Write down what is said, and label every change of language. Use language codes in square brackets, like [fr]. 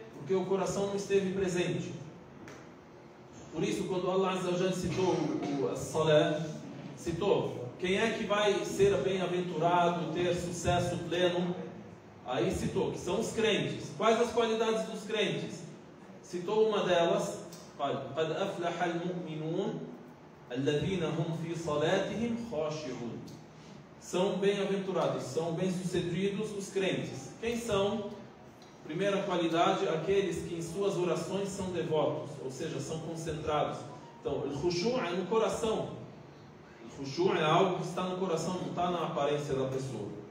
[pt] Porque o coração não esteve presente. Por isso, quando Allah Azzawajal citou o Salah, citou, quem é que vai ser bem-aventurado, ter sucesso pleno? Aí citou, que são os crentes. Quais as qualidades dos crentes? Citou uma delas, [ar] قَدْ أَفْلَحَ الْمُؤْمِنُونَ الَّذِينَ هُمْ فِي صَلَاتِهِمْ خَاشِعُونَ. [pt] São bem-aventurados, são bem-sucedidos os crentes. Quem são? Primeira qualidade, aqueles que em suas orações são devotos, ou seja, são concentrados. Então, o khushu' é no coração. O khushu' é algo que está no coração, não está na aparência da pessoa.